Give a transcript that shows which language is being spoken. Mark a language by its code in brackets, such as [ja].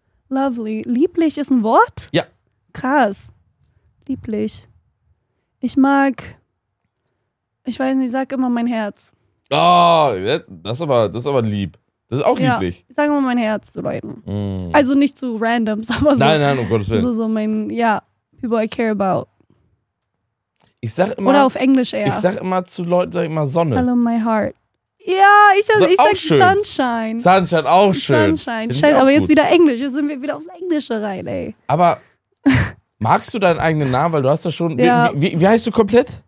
[de] Lovely. Lieblich ist ein Wort? Ja. Krass. Lieblich. Ich weiß nicht, ich sag immer mein Herz. Oh, das ist aber lieb. Das ist auch lieblich. Ja, ich sag immer mein Herz zu Leuten. Mm. Also nicht zu Randoms, aber nein, nein, um Gottes Willen. So mein, ja, [en] people I care about. [de] Ich sag immer. Oder auf Englisch eher. Ich sag immer zu Leuten, sag ich immer Sonne. [en] Hello, my heart. [de] Ja, ich sag schön. Sunshine. Sunshine, auch schön. Sunshine. Scheiße, aber gut. Jetzt wieder Englisch. Jetzt sind wir wieder aufs Englische rein, ey. Aber magst du deinen eigenen Namen? Weil du hast ja schon. Ja. Wie heißt du komplett?